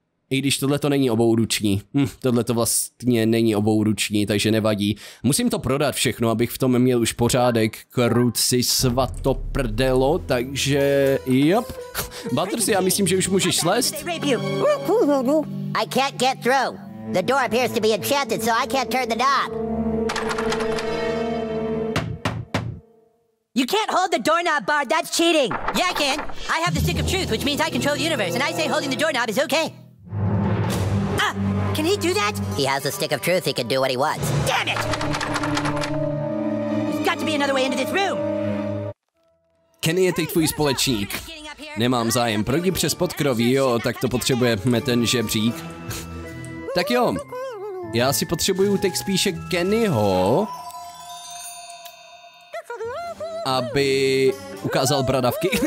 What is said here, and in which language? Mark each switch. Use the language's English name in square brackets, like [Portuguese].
[Czech] I když tohle to není obouruční, tohle to vlastně není obouruční, takže nevadí. Musím to prodat všechno, abych v tom měl už pořádek, kruci svato prdelo, takže jop. Butters, já myslím, že už můžeš slést. [English] I can't get through. The door appears to be enchanted, so I can't turn the knob. You can't hold the doorknob, Bard. That's cheating. Yeah, I can. I have the stick of truth, which means I control the universe, and I say holding the doorknob is okay. Can he do that? He has the stick of truth. He can do what he wants. Damn it! There's got to be another way into this room. [Czech] Kenny je teď tvůj společník. Nemám zájem, projdi přes podkroví, jo, tak to potřebujeme ten žebřík. Tak jo, já si potřebuju teď spíše Kennyho, aby ukázal bradavky.